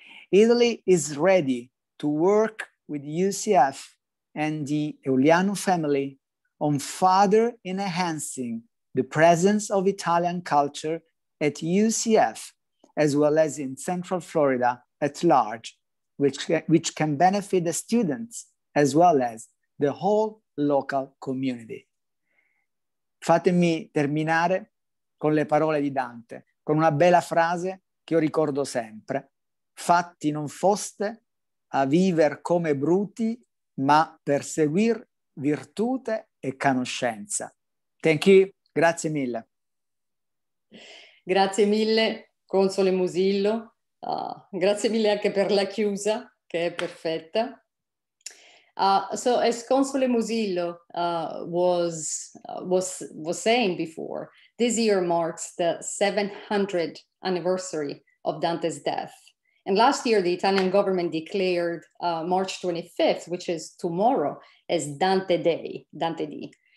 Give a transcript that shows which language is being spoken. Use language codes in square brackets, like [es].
[en] Italy is ready to work with UCF and the Euliano family on further enhancing the presence of Italian culture at UCF, as well as in Central Florida at large, which can benefit the students as well as the whole local community. [it] Fatemi terminare con le parole di Dante, con una bella frase che io ricordo sempre. Fatti non foste a viver come bruti, ma per seguir virtute e conoscenza. [en] Thank you, [it] grazie mille. Grazie mille, Console Musillo. Grazie mille anche per la chiusa, che è perfetta. [en] So as Console Musillo was saying before, this year marks the 700th anniversary of Dante's death. And last year, the Italian government declared March 25th, which is tomorrow, as Dante Day, Dante D.